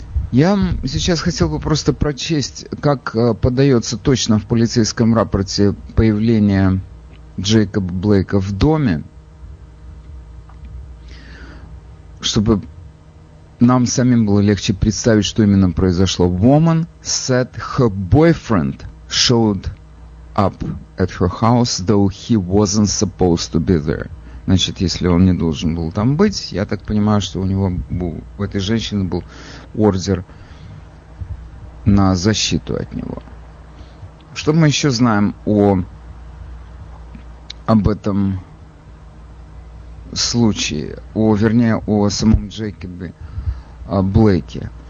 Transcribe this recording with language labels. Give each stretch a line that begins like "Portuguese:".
Russian: Я сейчас хотел бы просто прочесть, как подается точно в полицейском рапорте появление Джейкоба Блейка в доме, чтобы нам самим было легче представить, что именно произошло.
English: Woman said her boyfriend showed up at her house, though he wasn't supposed to be there.
Russian: Значит, если он не должен был там быть, я так понимаю, что у него был, у этой женщины был ордер на защиту от него. Что мы еще знаем об этом случае, о самом Джейкобе Блейке?